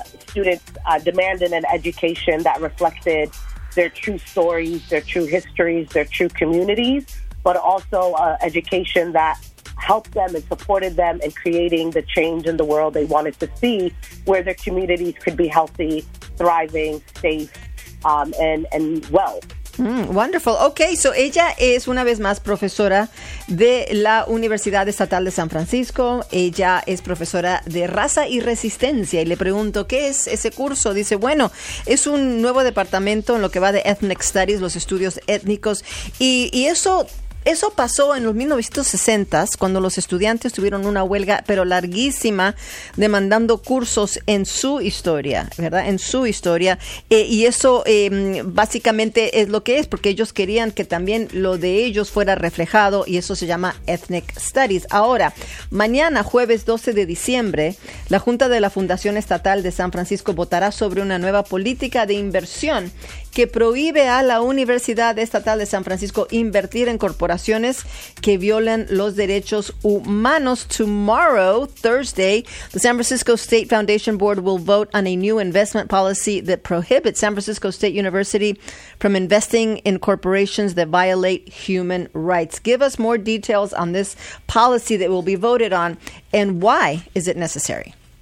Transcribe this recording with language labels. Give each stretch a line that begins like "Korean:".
English: Students demanded an education that reflected their true stories, their true histories, their true communities, but also education that helped them and supported them in creating the change in the world they wanted to see, where their communities could be healthy, thriving, safe, and well. Wonderful. Okay, so
Spanish: ella es una vez más profesora de la Universidad Estatal de San Francisco. Ella es profesora de raza y resistencia. Y le pregunto, ¿qué es ese curso? Dice, bueno, es un nuevo departamento en lo que va de Ethnic Studies, los estudios étnicos. Y eso pasó en los 1960s, cuando los estudiantes tuvieron una huelga, pero larguísima, demandando cursos en su historia, ¿verdad? En su historia. Y eso básicamente es lo que es, porque ellos querían que también lo de ellos fuera reflejado, y eso se llama Ethnic Studies. Ahora, mañana, jueves 12 de diciembre, la Junta de la Fundación Estatal de San Francisco votará sobre una nueva política de inversión que prohíbe a la Universidad Estatal de San Francisco invertir en corporaciones que violen los derechos humanos.
English: Tomorrow, Thursday, the San Francisco State Foundation Board will vote on a new investment policy that prohibits San Francisco State University from investing in corporations that violate human rights. Give us more details on this policy that will be voted on, and why is it necessary?